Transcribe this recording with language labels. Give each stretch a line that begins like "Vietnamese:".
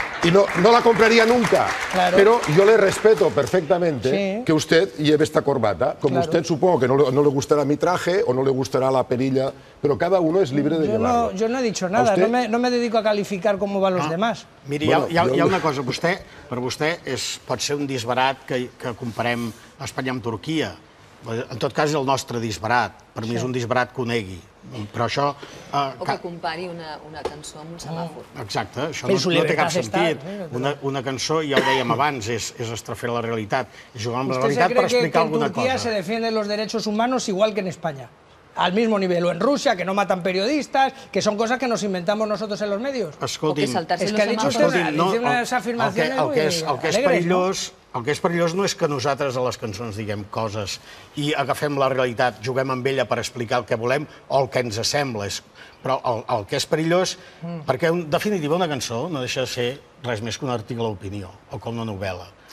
Spanish: Y no la compraría nunca. Claro. Pero yo le respeto perfectamente que usted lleve esta corbata. Como usted, supongo que no le gustará mi traje o no le gustará la perilla, pero cada uno es libre de llevarlo. Yo no he dicho nada. No me dedico a calificar cómo van los demás.
Catalan: Mire, hi ha una cosa. Per vostè pot ser un disbarat que comparem Espanya amb Turquia. En tot cas, és el nostre disbarat. Per mi és un disbarat que conegui. Però això, o que compari una cançó amb un semàfor. Exacte, això no té cap sentit. Una cançó, ja ho dèiem abans, és estrafer la realitat. És jugar amb la realitat per explicar alguna cosa.
Spanish: ¿Usted cree que en Turquía se defienden los derechos humanos igual que en España? Al mismo nivel, o en Rusia, que no matan periodistas, que son cosas que nos inventamos nosotros en los medios.
Catalan: Escolti'm,
Spanish: es que ha dicho usted, no, unas afirmaciones
Catalan: el que, el que és perillós, no? El que és perillós no és que nosaltres a les cançons diguem coses i agafem la realitat, juguem amb ella per explicar el que volem o el que ens sembla. Però el que és perillós, perquè en definitiva una cançó no deixa de ser res més que un article d'opinió o com una novel·la.